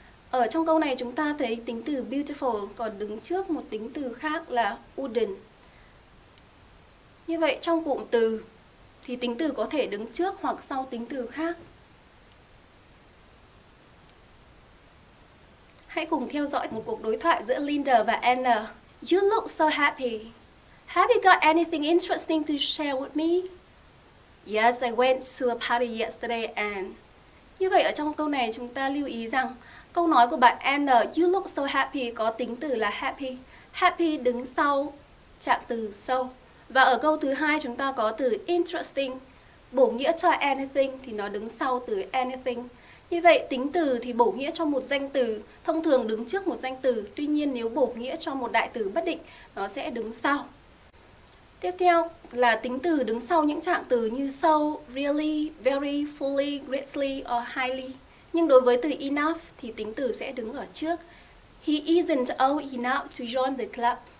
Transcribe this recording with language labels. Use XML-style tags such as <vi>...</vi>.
<vi>Ở trong câu này chúng ta thấy tính từ beautiful còn đứng trước một tính từ khác là wooden. Như vậy trong cụm từ thì tính từ có thể đứng trước hoặc sau tính từ khác. Hãy cùng theo dõi một cuộc đối thoại giữa Linda và Anna.</vi> <en>You look so happy. Have you got anything interesting to share with me? Yes, I went to a party yesterday and...</en> <vi>Như vậy ở trong câu này chúng ta lưu ý rằng câu nói của bạn Anna,</vi> <en>you look so happy,</en> <vi>có tính từ là happy. Happy đứng sau trạng từ so. Và ở câu thứ hai chúng ta có từ interesting, bổ nghĩa cho anything thì nó đứng sau từ anything. Như vậy tính từ thì bổ nghĩa cho một danh từ, thông thường đứng trước một danh từ. Tuy nhiên nếu bổ nghĩa cho một đại từ bất định, nó sẽ đứng sau. Tiếp theo là tính từ đứng sau những trạng từ như so, really, very, fully, greatly or highly. Nhưng đối với từ enough thì tính từ sẽ đứng ở trước.</vi> <en>He isn't old enough to join the club.</en>